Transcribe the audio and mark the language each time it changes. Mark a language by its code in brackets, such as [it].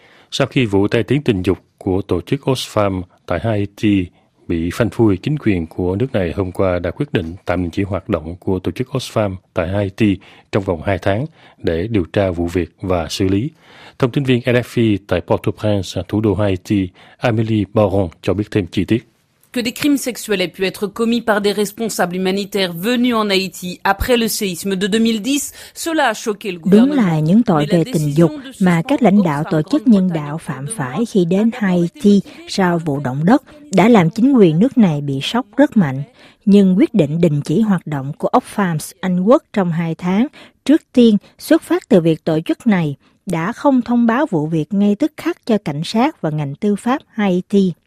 [vi] Sau khi vụ tai tiếng tình dục của tổ chức Oxfam tại Haiti bị phanh phui, chính quyền của nước này hôm qua đã quyết định tạm đình chỉ hoạt động của tổ chức Oxfam tại Haiti trong vòng 2 tháng để điều tra vụ việc và xử lý. Thông tin viên RFI tại Port-au-Prince, thủ đô Haiti, Amélie Baron cho biết thêm chi tiết. [fr] Que des crimes sexuels aient pu être commis par des responsables humanitaires venus en Haïti après le séisme de 2010, cela a choqué le gouvernement. [vi] Đúng là những tội về tình dục mà các lãnh đạo tổ chức nhân đạo phạm phải khi đến Haiti sau vụ động đất đã làm chính quyền nước này bị sốc rất mạnh. Nhưng quyết định đình chỉ hoạt động của Oxfam Anh Quốc trong 2 tháng trước tiên xuất phát từ việc tổ chức này đã không thông báo vụ việc ngay tức khắc cho cảnh sát và ngành tư pháp Haiti.